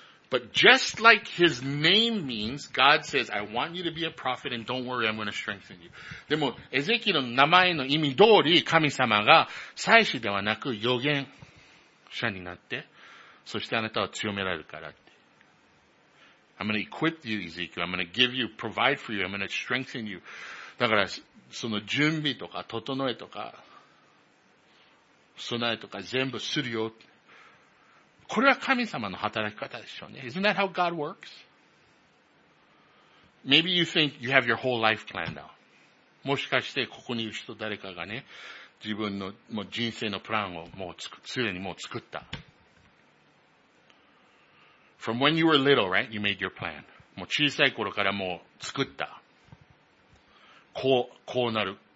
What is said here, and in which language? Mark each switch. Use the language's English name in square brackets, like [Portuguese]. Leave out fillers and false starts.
[English] But just like his name means, God says, I want you to be a prophet and don't worry, I'm going to strengthen you. [Japanese] でも、エゼキの名前の意味通り、神様が祭司ではなく預言者になって、そしてあなたは強められるからって。 [English] I'm going to equip you, Ezekiel. I'm going to give you, provide for you. I'm going to strengthen you. [Japanese] だから、その準備とか、整えとか、備えとか全部するよ。これは神様の働き方でしょうね。 [English] Isn't that how God works? Maybe you think you have your whole life planned out. [Japanese] もしかしてここにいる人誰かがね、自分のもう人生のプランをもうすでにもう作った。 [English] From when you were little, right? You made your plan. [Japanese] もう小さい頃からもう作った。こうなる。